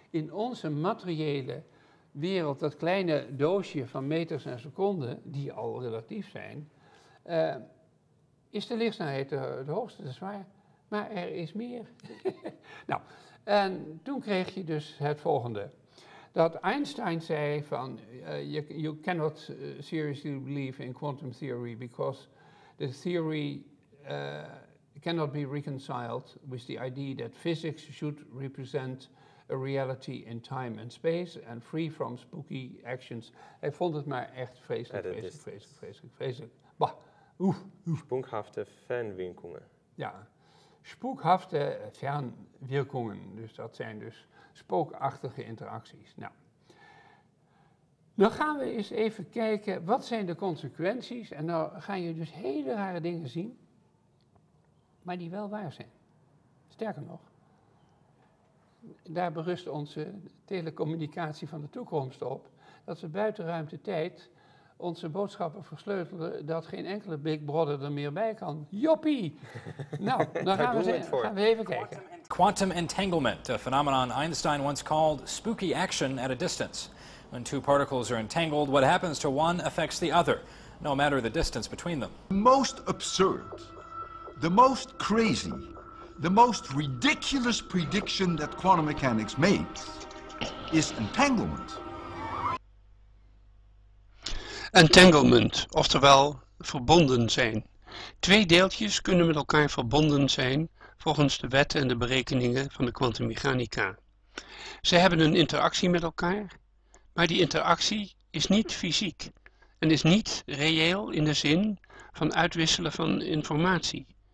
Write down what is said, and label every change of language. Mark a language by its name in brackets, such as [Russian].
[Dutch] In onze materiële wereld, dat kleine doosje van meters en seconden, die al relatief zijn, is de lichtsnelheid de hoogste, dat is waar. Maar er is meer. Nou, En toen kreeg je dus het volgende. Dat Einstein zei van, [English] you cannot seriously believe in quantum theory because the theory cannot be reconciled with the idea that physics should represent a reality in time and space and free from spooky actions. [Dutch] Hij vond het maar echt vreselijk. [German] Spookhafte fernwirkungen. Ja, spookhafte fernwirkungen. [Dutch] Dus dat zijn dus spookachtige interacties. Nou, dan gaan we eens even kijken wat zijn de consequenties. En dan ga je dus hele rare dingen zien, maar die wel waar zijn. Sterker nog, daar berust onze telecommunicatie van de toekomst op, dat we buiten ruimtetijd onze boodschappen versleutelen, dat geen enkele Big Brother er meer bij kan. Joppie! Nou, dan gaan, gaan we even kijken. [English] Quantum entanglement, a phenomenon Einstein once called spooky action at a distance. When two particles are entangled, what happens to one affects the other, no matter the distance between them. Most absurd, the most crazy, the most ridiculous prediction that quantum mechanics makes is entanglement. [Dutch] Entanglement, oftewel verbonden zijn. Twee deeltjes kunnen met elkaar verbonden zijn volgens de wetten en de berekeningen van de kwantummechanica. Ze hebben een interactie met elkaar, maar die interactie is niet fysiek en is niet reëel in de zin van uitwisselen van informatie.